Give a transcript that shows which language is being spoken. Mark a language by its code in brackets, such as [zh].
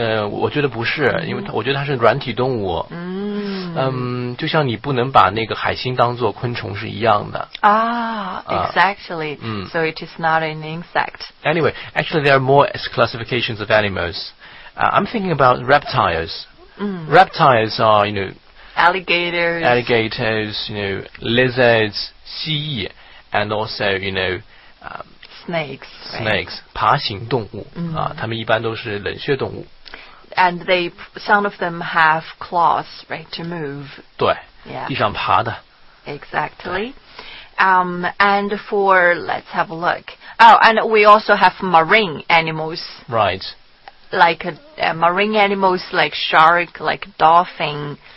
[zh] 我觉得不是，因为我觉得它是软体动物。嗯、嗯，就像你不能把那个海星当作昆虫是一样的。 [en] Exactly. So it is not an insect. Anyway, actually there are more classifications of animals. I'm thinking about reptiles. Reptiles are, you know, alligators, you know, lizards, 蜥蜴 and also, you know, Snakes, right? [zh] 爬行动物、mm. 啊，它们一般都是冷血动物。 [en] And they, some of them have claws, right, to move. [zh] 对， [en] yeah. [zh] 地上爬的。 [en] Exactly. And for, let's have a look. Oh, and we also have marine animals. Right. Like marine animals, like shark, like dolphin.